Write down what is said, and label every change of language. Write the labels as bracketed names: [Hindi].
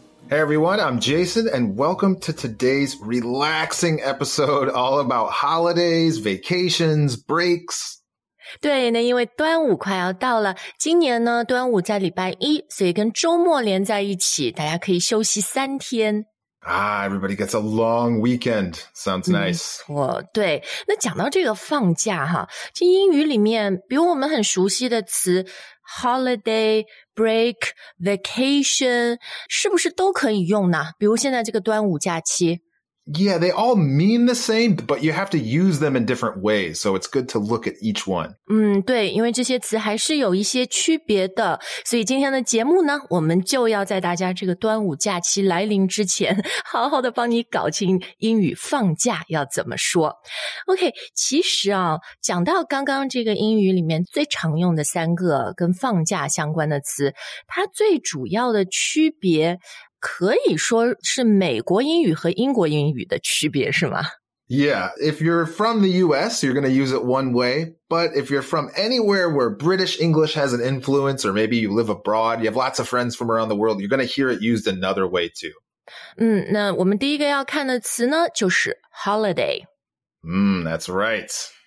[English] Hey everyone, I'm Jason, and welcome to today's relaxing episode all about holidays, vacations, breaks. [Chinese] 对，那因为端午快要到了，今年呢，端午在礼拜一，所以跟周末连在一起，大家可以休息三天。 [English] Ah, everybody gets a long weekend. Sounds nice. [Chinese] 哦，对，那讲到这个放假哈，这英语里面比我们很熟悉的词 holiday, break, vacation 是不是都可以用呢？比如现在这个端午假期。 [English] Yeah, they all mean the same, but you have to use them in different ways, so it's good to look at each one. [Chinese] 对，因为这些词还是有一些区别的，所以今天的节目呢，我们就要在大家这个端午假期来临之前，好好的帮你搞清英语放假要怎么说。 OK, 其实啊，讲到刚刚这个英语里面最常用的三个跟放假相关的词，它最主要的区别可以说是美国英语和英国英语的区别，是吗？ [English] Yeah, if you're from the US, you're going to use it one way. But if you're from anywhere where British English has an influence, or maybe you live abroad, you have lots of friends from around the world, you're going to hear it used another way too. [Chinese] 那我们第一个要看的词呢，就是 holiday. [English] That's right.